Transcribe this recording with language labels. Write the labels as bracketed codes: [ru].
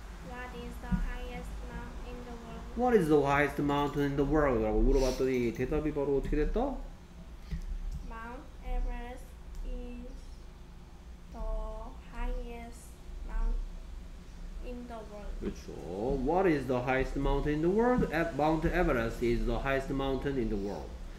[en] What is the highest mountain in the world? What is the highest mountain in the world? [ko] 라고 물어봤더니 대답이 바로 어떻게 됐다? [en] Mount Everest is the highest mountain in the world. [ko] 그렇죠. [en] What is the highest mountain in the world? Mount Everest is the highest mountain in the world.